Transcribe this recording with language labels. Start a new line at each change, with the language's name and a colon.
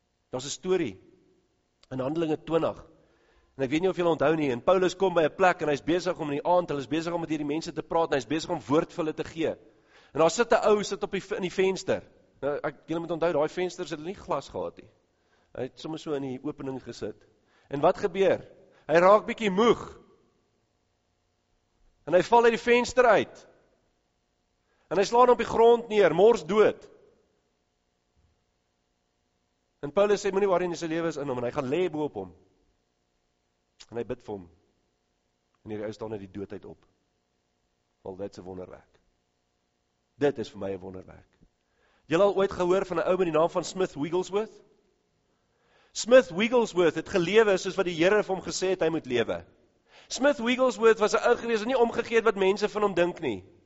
Afrikaans: Daar's 'n story in Handelinge 20. En ek weet nie of julle onthou nie, en Paulus kom by 'n plek en hy's besig om in die aand, hy's besig om met hierdie mense te praat, hy's besig om woord vir hulle te gee. En daar sit 'n ou sit op die in die venster. Nou julle moet onthou daai vensters het nie glas gehad nie. Hy het sommer so in die opening gesit. En wat gebeur? Hy raak bietjie moeg. En hy val uit die venster uit. En hy slaan op die grond neer, mors dood. En Paulus sê moenie worry nie, sy lewe is in hom en hy gaan lê bo op hom. En hy bid vir hom. En hierdie ou staan uit die dood uit op.
English: Well, that's a wonderwerk.
Afrikaans: Dit is vir my 'n wonderwerk. Jy al ooit gehoor van 'n ou met die naam van Smith Wigglesworth? Smith Wigglesworth het gelewe soos wat die Here vir hom gesê het hy moet lewe. Smith Wigglesworth was 'n ou gewees en nie omgegee wat mense van hom dink nie.